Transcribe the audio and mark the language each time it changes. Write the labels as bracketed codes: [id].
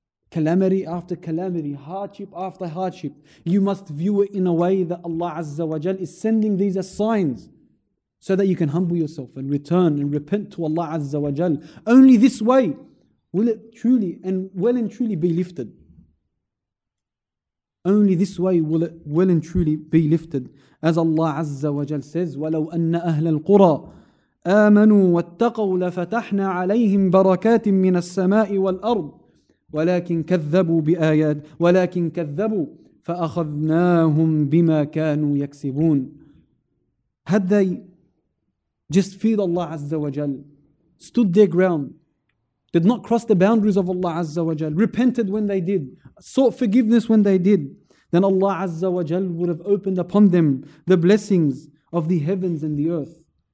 [en] Calamity after calamity, hardship after hardship. You must view it in a way that Allah Azza wa Jal is sending these as signs so that you can humble yourself and return and repent to Allah Azza wa Jal. Only this way will it truly and well and truly be lifted. Only this way will it well and truly be lifted. As Allah Azza wa Jal says, [ar] وَلَوْ أَنَّ أَهْلَ الْقُرَىٰ آمَنُوا وَاتَّقَوْا لَفَتَحْنَا عَلَيْهِمْ بَرَكَاتٍ مِّنَ السَّمَاءِ وَالْأَرْضِ ولكن كذبوا بآيات ولكن كذبوا فأخذناهم بما كانوا يكسبون. [en] Had they just feared Allah Azza wa Jal, stood their ground, did not cross the boundaries of Allah Azza wa Jal, repented when they did, sought forgiveness when they did, then Allah Azza wa Jal would have opened upon them the blessings of the heavens and the earth.